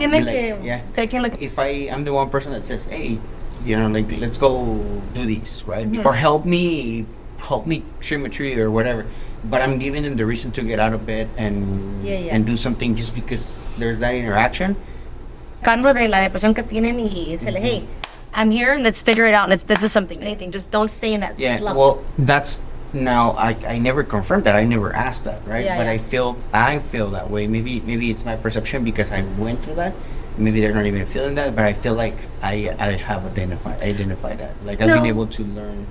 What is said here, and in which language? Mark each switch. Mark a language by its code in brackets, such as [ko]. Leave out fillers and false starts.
[en] Like, if I'm the one person that says, hey, you know, like let's go do this, right? Mm-hmm. Or help me trim a tree or whatever. But I'm giving them the reason to get out of bed and and do something just because there's that interaction. [es] Cambio de la depresión que tienen y decirle, [en] hey, I'm here. Let's figure it out. Let's do something. Anything. Just don't stay in that slump. Yeah. Well, that's. Now, I never confirmed that. I never asked that, right? Yeah, but yeah. I feel that way. Maybe it's my perception because I went through that. Maybe they're not even feeling that, but I feel like I have identified that. Like, I've been able to learn.